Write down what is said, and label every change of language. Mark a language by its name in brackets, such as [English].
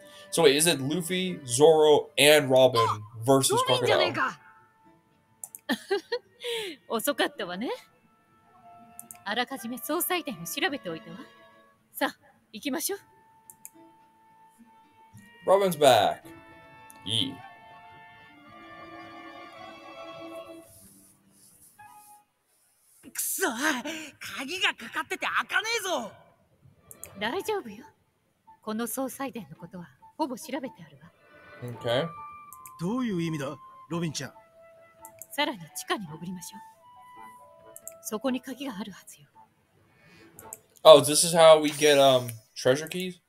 [English] So wait, is it Luffy, Zoro, and Robin versus Crocodile? Oh, so good, wasn't it? [Japanese] あらかじめ捜査点を調べておいたわ。さあ、行きましょう。 [English] Robin's back. Yee. [Japanese] くそ、鍵がかかってて開かねえぞ。大丈夫よ。この総裁殿のことはほぼ調べてあるわ。 [English] Okay. [Japanese] どういう意味だ、ロビンちゃん。さらに地下に潜りましょう。そこに鍵があるはずよ。 [English] Oh, this is how we get treasure keys?